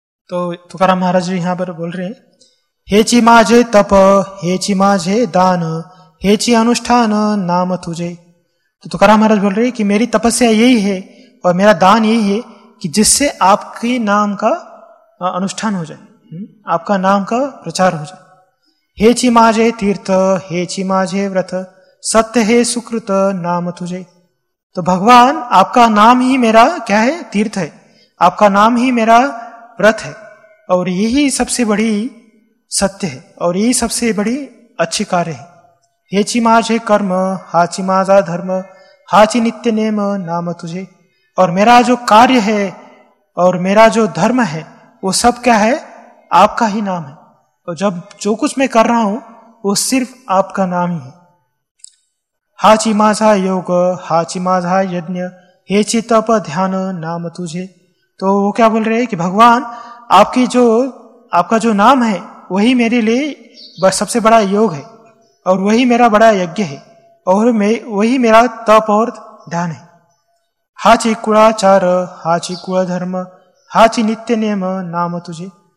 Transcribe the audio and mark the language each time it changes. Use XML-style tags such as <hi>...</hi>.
<hi>तो तुकाराम महाराज भी यहाँ पर बोल रहे हैं,</hi> <mr>हे ची माझे तप, हे ची माझे दान, हे ची अनुष्ठान नाम तुझे।</mr> <hi>तो तुकाराम महाराज बोल रहे हैं कि मेरी तपस्या यही है और मेरा दान यही है कि जिससे आपके नाम का अनुष्ठान हो जाए, आपका नाम का प्रचार हो जाए।</hi> <mr>हे ची माझे तीर्थ, हे ची माझे व्रत, सत्य हे सुकृत नाम तुझे।</mr> <hi>तो भगवान आपका नाम ही मेरा क्या है, तीर्थ है, आपका नाम ही मेरा व्रत है और यही सबसे बड़ी सत्य है और यही सबसे बड़ी अच्छी कार्य है।</hi> <mr>हे ची माझे कर्म, हा ची माझा धर्म, हा ची नित्य नेम नाम तुझे।</mr> <hi>और मेरा जो कार्य है और मेरा जो धर्म है वो सब क्या है, आपका ही नाम है। और जब जो कुछ मैं कर रहा हूं वो सिर्फ आपका नाम ही है।</hi> <mr>हा ची माझा योग, हा ची माझा यज्ञ, हे ची तप ध्यान नाम तुझे।</mr> <hi>तो वो क्या बोल रहे हैं कि भगवान आपकी जो आपका जो नाम है वही मेरे लिए सबसे बड़ा योग है और वही मेरा बड़ा यज्ञ है और वही मेरा तप और ध्यान है।</hi> <mr>हा ची कुळाचार, हा ची कुळ धर्म, हा ची नित्य नेम नाम तुझे।</mr>